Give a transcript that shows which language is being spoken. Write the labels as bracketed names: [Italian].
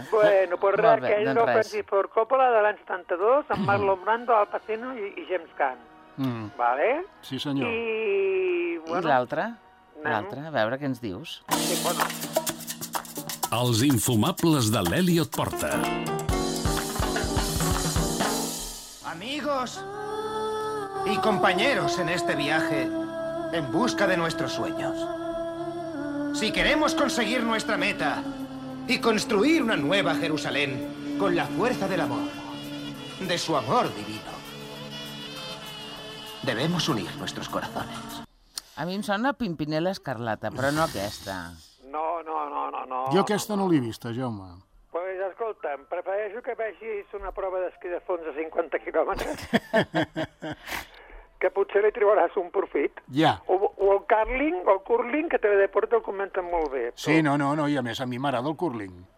[Catalan] Bueno, pues res, que ell no pensi por Coppola de l'any 72, amb Marlon Brando, Al Pacino i James Caan. Vale? Sí, senyor. I l'altre? L'altre, a veure què ens dius. Sí, bueno. Els infumables de l'Eliot Porta. [Spanish] Amigos y compañeros en este viaje en busca de nuestros sueños. Si queremos conseguir nuestra meta y construir una nueva Jerusalén con la fuerza del amor, de su amor divino, debemos unir nuestros corazones. A mí me suena Pimpinela Escarlata, pero no aquesta. [Catalan] No. Jo aquesta no l'he vista, Jaume. Pues escolta, em prefereixo que vegis una prova d'esquí de fons a 50 quilòmetres. Que potser li trobaràs un profit. Ja. Yeah. O el curling, o el curling, que TV Deporte el comenta molt bé. Però... Sí, no, i a més a mi m'agrada el curling.